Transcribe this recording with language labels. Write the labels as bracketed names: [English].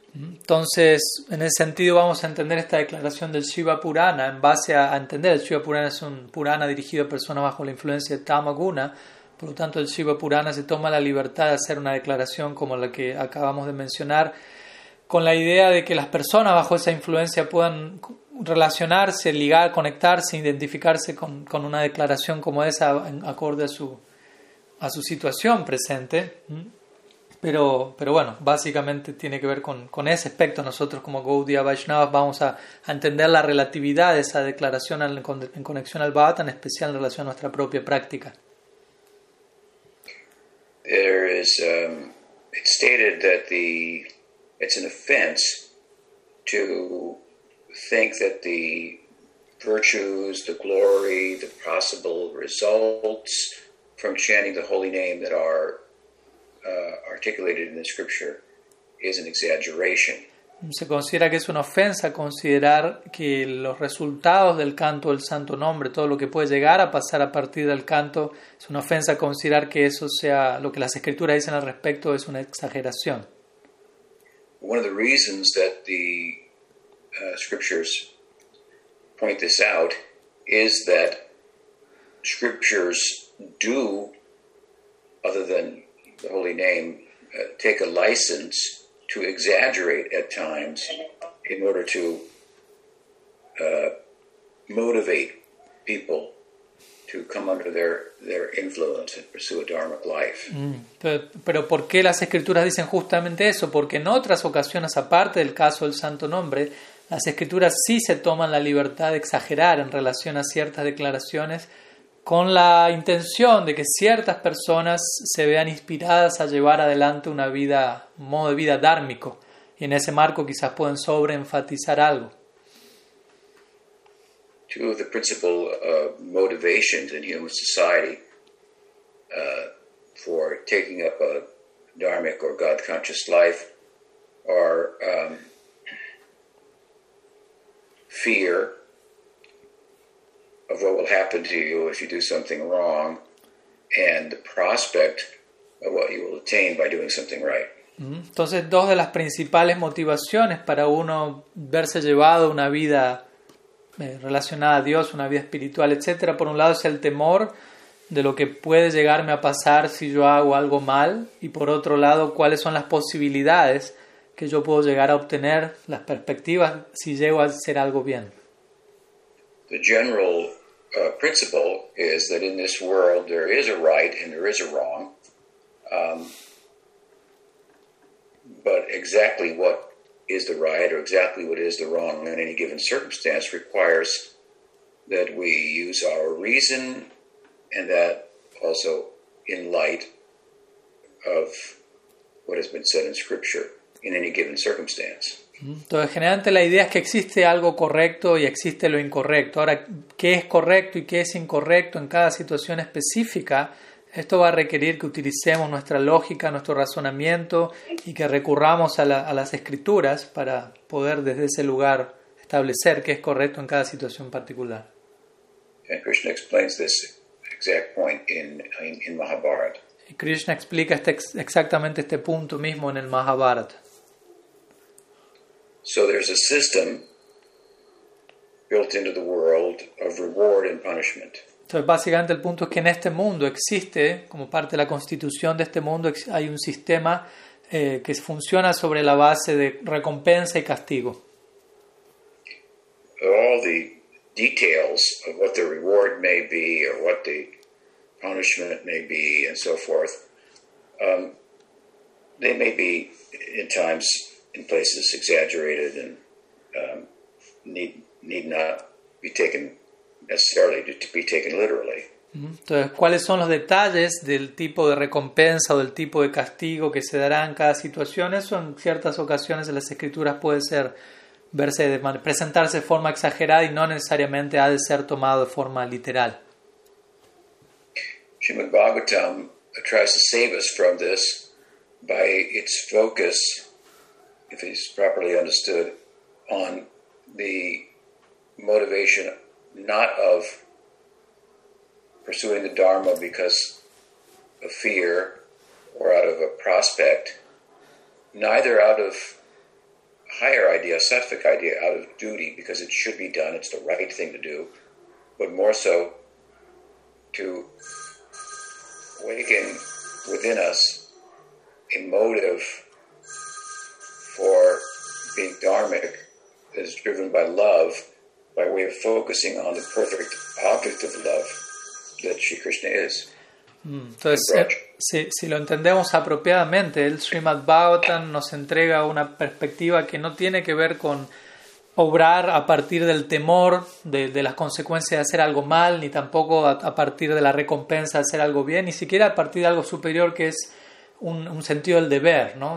[Spanish] Entonces, en ese sentido vamos a entender esta declaración del Shiva Purana en base a entender el Shiva Purana es un Purana dirigido a personas bajo la influencia de Tamaguna, por lo tanto el Shiva Purana se toma la libertad de hacer una declaración como la que acabamos de mencionar con la idea de que las personas bajo esa influencia puedan relacionarse, ligar, conectarse, identificarse con una declaración como esa en acorde a su situación presente. Pero bueno, básicamente tiene que ver con ese aspecto. Nosotros como Gaudiya Vaishnavas vamos a entender la relatividad de esa declaración en conexión al Bhagavatam, en especial en relación a nuestra propia práctica. [English] There is it's stated that it's an offense to think that the virtues, the glory, the possible results from chanting the holy name that are articulated in the scripture is an exaggeration. [Spanish] Se considera que es una ofensa considerar que los resultados del canto del santo nombre, todo lo que puede llegar a pasar a partir del canto, es una ofensa considerar que eso sea lo que las escrituras dicen al respecto es una exageración. [English] One of the reasons that the scriptures point this out is that scriptures do, other than the holy name, take a license to exaggerate at times in order to motivate people to come under their influence and pursue a dharmic life. [Spanish] Pero ¿por qué las escrituras dicen justamente eso? Porque en otras ocasiones, aparte del caso del santo nombre, las escrituras sí se toman la libertad de exagerar en relación a ciertas declaraciones con la intención de que ciertas personas se vean inspiradas a llevar adelante una vida, un modo de vida dármico. Y en ese marco quizás pueden sobreenfatizar algo. [English] Two of the principal motivations in human society for taking up a dharmic or God-conscious life are fear of what will happen to you if you do something wrong, and the prospect of what you will attain by doing something right. [Spanish] Entonces, dos de las principales motivaciones para uno verse llevado una vida relacionada a Dios, una vida espiritual, etcétera. Por un lado es el temor de lo que puede llegarme a pasar si yo hago algo mal, y por otro lado, cuáles son las posibilidades que yo puedo llegar a obtener, las perspectivas, si llego a hacer algo bien. [English] The general principle is that in this world there is a right and there is a wrong, but exactly what is the right or exactly what is the wrong in any given circumstance requires that we use our reason and that also in light of what has been said in scripture in any given circumstance. [Spanish] Entonces, generalmente la idea es que existe algo correcto y existe lo incorrecto. Ahora, ¿qué es correcto y qué es incorrecto en cada situación específica? Esto va a requerir que utilicemos nuestra lógica, nuestro razonamiento y que recurramos a las escrituras para poder desde ese lugar establecer qué es correcto en cada situación particular. [English] And Krishna explains this exact point in Mahabharata. [Spanish] Y Krishna explica exactamente este punto mismo en el Mahabharata. [English] So there's a system built into the world of reward and punishment. [Spanish] Entonces, básicamente el punto es que en este mundo existe, como parte de la constitución de este mundo, hay un sistema que funciona sobre la base de recompensa y castigo. [English] All the details of what the reward may be or what the punishment may be and so forth, they may be in times, in places, exaggerated and need not be taken necessarily to be taken literally. [Spanish] Entonces, ¿cuáles son los detalles del tipo de recompensa o del tipo de castigo que se dará en cada situación? Eso en ciertas ocasiones en las escrituras puede ser verse de, presentarse de forma exagerada y no necesariamente ha de ser tomado de forma literal. [English] Srimad Bhagavatam tries to save us from this by its focus, if it's properly understood, on the motivation not of pursuing the Dharma because of fear or out of a prospect, neither out of higher idea, sattvic idea, out of duty, because it should be done, it's the right thing to do, but more so to awaken within us a motive for being dharmic that is driven by love, by way of focusing on the perfect object of love that Sri Krishna is. [Spanish] Entonces, si lo entendemos apropiadamente, el Srimad Bhagavatam nos entrega una perspectiva que no tiene que ver con obrar a partir del temor de las consecuencias de hacer algo mal, ni tampoco a partir de la recompensa de hacer algo bien, ni siquiera a partir de algo superior que es un sentido del deber, ¿no?